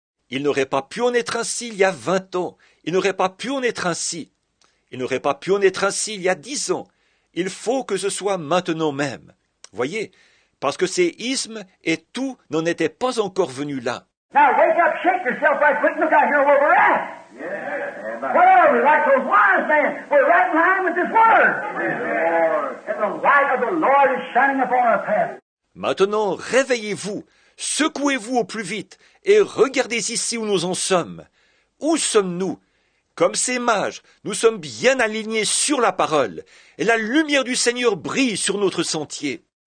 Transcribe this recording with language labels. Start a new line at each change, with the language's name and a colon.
French: Il n'aurait pas pu en être ainsi il y a 20 ans. Il n'aurait pas pu en être ainsi. Il n'aurait pas pu en être ainsi il y a 10 ans. Il faut que ce soit maintenant même. Voyez, parce que ces ismes et tout n'en étaient pas encore venus là.
English: Now wake up, shake yourself right quick, look out here where we're at. Yeah. Well, we're like those wise men. We're right in line with this word. Yeah. And the light of the Lord is shining upon our path.
French: Maintenant, réveillez-vous, secouez-vous au plus vite et regardez ici où nous en sommes. Où sommes-nous? Comme ces mages, nous sommes bien alignés sur la parole et la lumière du Seigneur brille sur notre sentier.